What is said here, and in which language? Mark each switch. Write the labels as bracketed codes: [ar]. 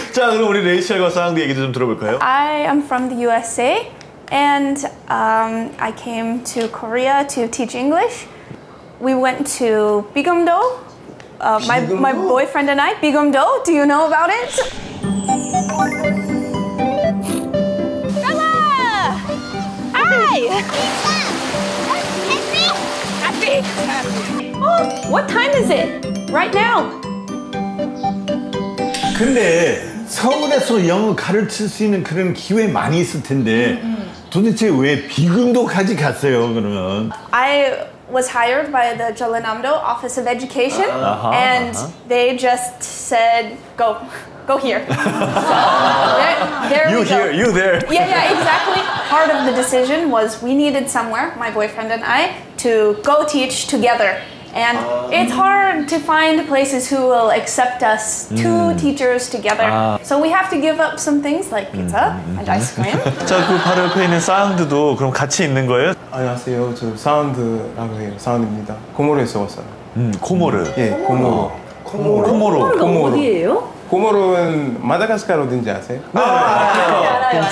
[ko] 자, 그럼 우리 레이첼과 사항도 얘기도 좀 들어볼까요? [en] I am from the USA and I came to Korea to teach English. We went to Bigeum-do. My boyfriend and I, Bigeum-do. Do you know about it? 까마! 하이! 해피! 해피! 어? What time is it? Right now! [ko] 근데 서울에서 영어 가르칠 수 있는 그런 기회 많이 있을 텐데 도대체 왜 비금도까지 갔어요, 그러면? [en] I was hired by the Jeollanam-do Office of Education and they just said, go here. So, there you we go. Here, you there. Yeah, exactly. Part of the decision was we needed somewhere, my boyfriend and I, to go teach together. And it's hard to find places who will accept us two teachers together. So we have to give up some things like pizza and ice cream. [ko] 자, 그 바로 옆에 있는 사운드도 그럼 같이 있는 거예요? 안녕하세요. 저 사운드라고 해요. 사운드입니다. 코모르에서 왔어요. 코모르. 예, 코모르. 코모르. 코모르. 코모르 어디예요? 코모르는 마다가스카르 어딘지 아세요? 네, 알아요.